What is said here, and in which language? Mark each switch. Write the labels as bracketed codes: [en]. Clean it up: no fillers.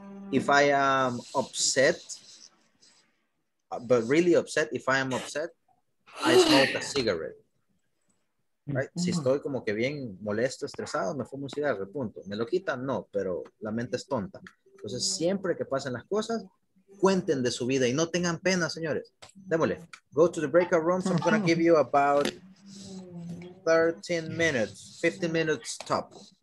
[en] If I am upset, but really upset, if I am upset, I smoke a cigarette. Right. [es] Si estoy como que bien molesto, estresado, me fumo un cigarro, punto. ¿Me lo quitan? No, pero la mente es tonta. Entonces, siempre que pasen las cosas, cuenten de su vida y no tengan pena, señores. Démosle. [en] Go to the breakout rooms. I'm going to give you about 13 minutes, 15 minutes top.